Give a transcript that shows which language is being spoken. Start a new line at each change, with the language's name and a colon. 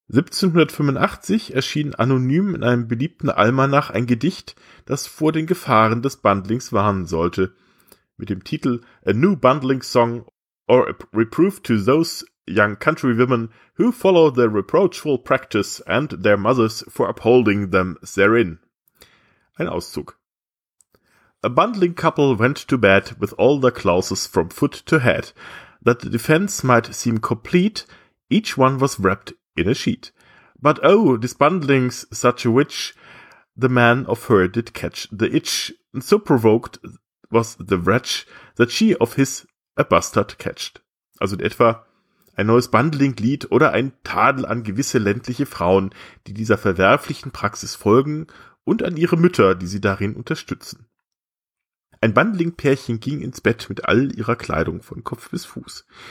German: 1785 erschien anonym in einem beliebten Almanach ein Gedicht, das vor den Gefahren des Bundlings warnen sollte, mit dem Titel »
English: A New Bundling Song or a Reproof to Those Young Country Women Who Follow the Reproachful Practice and Their Mothers for Upholding Them Therein«.
German: Ein Auszug.
English: A bundling couple went to bed with all their clothes from foot to head. That the defense might seem complete, each one was wrapped in a sheet. But oh, this bundling's such a witch, the man of her did catch the itch. So provoked was the wretch that she of his a bastard catched.
German: Also in etwa, ein neues Bundling-Lied oder ein Tadel an gewisse ländliche Frauen, die dieser verwerflichen Praxis folgen und an ihre Mütter, die sie darin unterstützen. Ein Bundling-Pärchen ging ins Bett mit all ihrer Kleidung von Kopf bis Fuß.